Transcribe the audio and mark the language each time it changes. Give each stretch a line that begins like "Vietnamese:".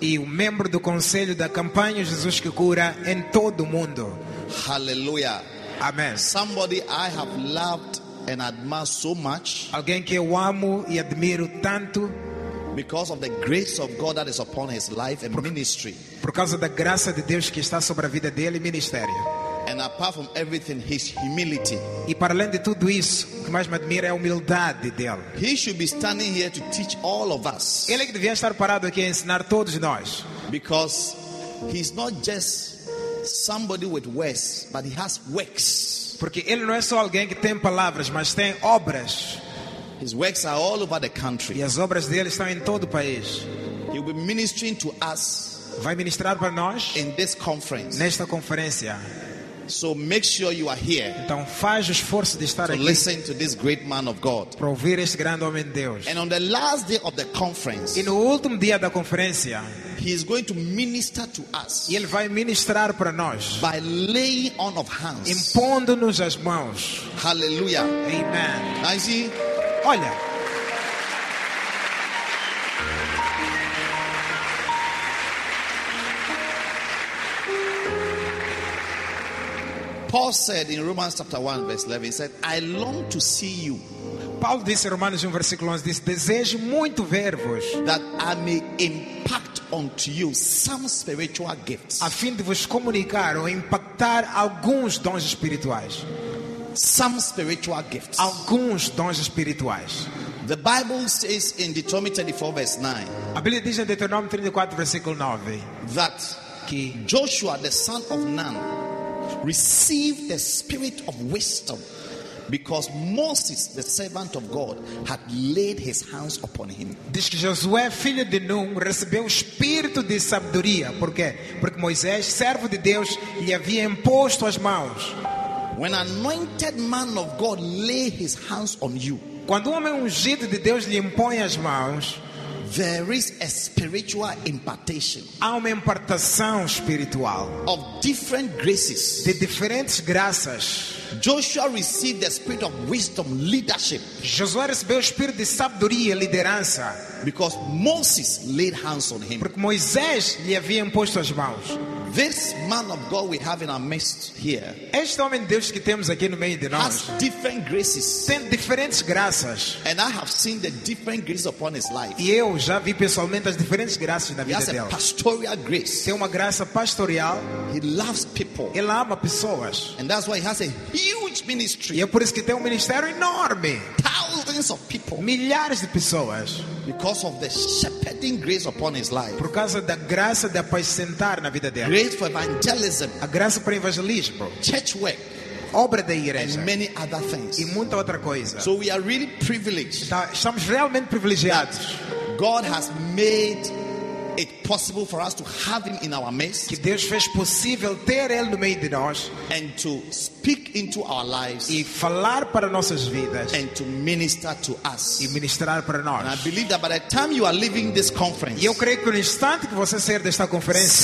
Portuguese: E membro do conselho da campanha Jesus que cura em todo o mundo. Hallelujah. Amen.
English: Somebody I have loved and admire so much.
Portuguese: Alguém que eu amo e admiro tanto.
English: Because of the grace of God that is upon his life and ministry.
Portuguese: Por causa da graça de Deus que está sobre a vida dele e ministério.
English: And apart from everything, his humility.
Portuguese: E para além de tudo isso, o que mais me admira é a humildade dele.
English: He should be standing here to teach all of us.
Portuguese: Ele que devia estar parado aqui a ensinar todos nós.
English: Because he's not just somebody with words, but he has works.
Portuguese: Porque ele não é só alguém que tem palavras, mas tem obras.
English: His works are all over the country.
Portuguese: E as obras dele estão em todo o país.
English: He'll be ministering to us.
Portuguese: Vai ministrar para nós
English: in this conference.
Portuguese: Nesta conferência.
English: So make sure you are here.
Portuguese: Então faz o esforço de estar
English: to
Portuguese: aqui.
English: Listen to this great man of God.
Portuguese: Para ouvir este grande homem de Deus.
English: And on the last day of the conference.
Portuguese: E no último dia da conferência.
English: He is going to minister to us.
Portuguese: E ele vai ministrar para nós.
English: By laying on of hands.
Portuguese: Impondo-nos as mãos. Hallelujah. Amen.
English: I see.
Portuguese: Olha.
English: Paul said in Romans chapter 1 verse 11, he said, I long to see you.
Portuguese: Paulo disse em Romanos 1 versículo 11, disse, desejo muito ver-vos.
English: That I may impact unto you some spiritual gifts.
Portuguese: A fim de vos comunicar ou impactar alguns dons espirituais.
English: Some spiritual gifts.
Portuguese: Alguns dons espirituais.
English: The Bible says in Deuteronomy 34 verse 9.
Portuguese: A Bíblia diz em Deuteronomy 34 versículo 9.
English: That que Joshua the son of Nun received the spirit of wisdom because Moses the servant of God had laid his hands upon him.
Portuguese: Diz que Josué filho de Nun recebeu o espírito de sabedoria, por quê? Porque Moisés servo de Deus lhe havia imposto as mãos.
English: When anointed man of God lay his hands on you.
Portuguese: Quando homem ungido de Deus lhe impõe as mãos,
English: there is a spiritual impartation.
Portuguese: Há uma impartação espiritual
English: of different graces.
Portuguese: De diferentes graças.
English: Joshua received the spirit of wisdom, leadership.
Portuguese: Josué recebeu o espírito de sabedoria, liderança,
English: because Moses laid hands on him.
Portuguese: Porque Moisés lhe havia imposto as mãos.
English: This man of God we have in our midst here.
Portuguese: Este homem de Deus que temos aqui no meio de nós.
English: Has different graces.
Portuguese: Tem diferentes graças.
English: And I have seen the different graces upon his life.
Portuguese: E eu já vi pessoalmente as diferentes graças na vida dele.
English: He has a pastoral grace.
Portuguese: Tem uma graça pastoral.
English: He loves people.
Portuguese: Ele ama pessoas.
English: And that's why he has a huge ministry.
Portuguese: E é por isso que tem ministério enorme.
English: Thousands of people.
Portuguese: Milhares de pessoas.
English: Because of the shepherding grace upon his life.
Portuguese: Por causa da graça de apacentar na vida dele.
English: Grace for evangelism.
Portuguese: A graça para evangelismo.
English: Church work.
Portuguese: Obra da igreja.
English: And many other things.
Portuguese: E muita outra coisa.
English: So we are really privileged.
Portuguese: Então, estamos realmente privilegiados.
English: God has made it possible for us to have him in our midst.
Portuguese: Que Deus fez possível ter ele no meio de nós.
English: And to speak into our lives.
Portuguese: E falar para nossas vidas.
English: And to minister to us.
Portuguese: E ministrar para nós.
English: And I believe that by the time you are leaving this conference.
Portuguese: E eu creio que no instante que você sair desta conferência.